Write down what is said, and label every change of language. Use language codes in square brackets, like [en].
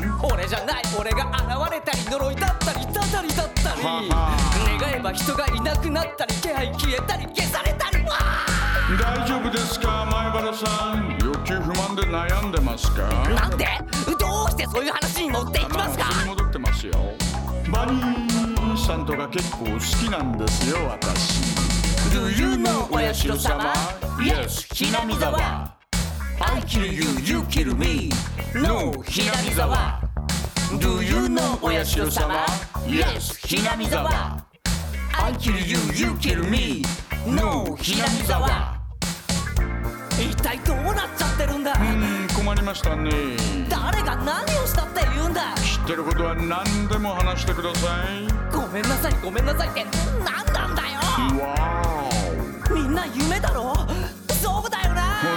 [ja] 俺じゃない俺が現れたり呪いだったりたたりだったり願えば人がいなくなったり気配消えたり消されたりわー大丈夫ですか前原さん欲求不満で悩んでますかなんでどうしてそういう話に持っていきますか戻ってますよバニーさんとか結構好きなんですよ私 [en] Do you know おやしろ様 Yes, ひなみざわ I kill you, you kill me No, ひなみざわ Do you know おやしろ様 Yes, ひなみざわ I kill you, you kill me No, ひなみざわ [ja] 一体どうなっちゃってるんだ困りましたね誰が何をしたって言うんだ知ってることは何でも話してくださいごめんなさいごめんなさいって何なんだよわみんな夢だろそうだよな